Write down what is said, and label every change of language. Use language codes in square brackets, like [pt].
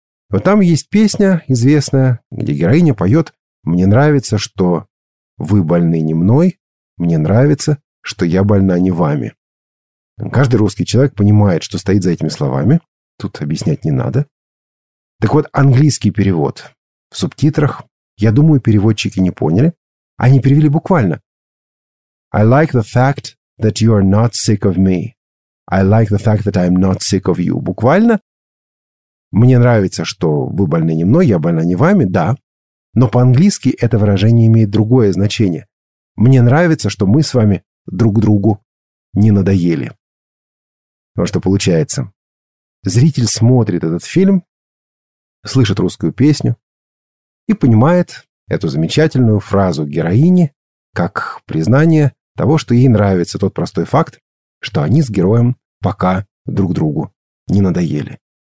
[ru] Вот там есть песня известная, где героиня поет «Мне нравится, что вы больны не мной, мне нравится, что я больна не вами». Каждый русский человек понимает, что стоит за этими словами. Тут объяснять не надо. Так вот, английский перевод. В субтитрах, я думаю, переводчики не поняли. Они перевели буквально. [en] I like the fact that you are not sick of me. I like the fact that I am not sick of you. [ru] Буквально. Мне нравится, что вы больны не мной, я больна не вами. Да. Но по-английски это выражение имеет другое значение. Мне нравится, что мы с вами друг другу не надоели. Вот что получается. Зритель смотрит этот фильм, слышит русскую песню и понимает эту замечательную фразу героини как признание того, что ей нравится тот простой факт, что они с героем пока друг другу не надоели.